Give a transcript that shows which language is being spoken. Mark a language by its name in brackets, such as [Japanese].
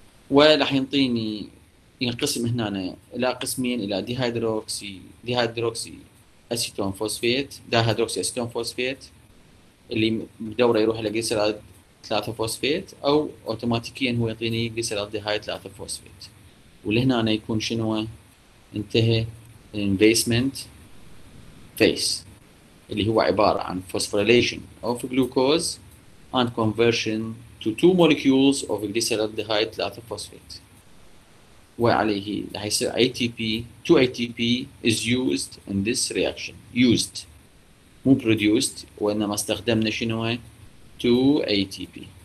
[Arabic] وراح ينطيني ينقسم هنا الى قسمين، الى ديهايدروكسي اسيتون فوسفيت، ديهايدروكسي اسيتون فوسفيت اللي بدوره يروح الى جليسرال 3 فوسفيت، او اوتوماتيكيا هو يعطيني جليسرال ديهايد 3 فوسفيت. ولهنا أنا يكون شنو انتهى investment phase اللي هو عبارة عن [English] phosphorylation of glucose and conversion to two molecules of glyceraldehyde 3 phosphate. [Arabic] وعليه راح يصير [English] ATP، 2 ATP is used in this reaction. [Arabic] Used مو produced، وإنما استخدمنا شنو؟ 2 ATP.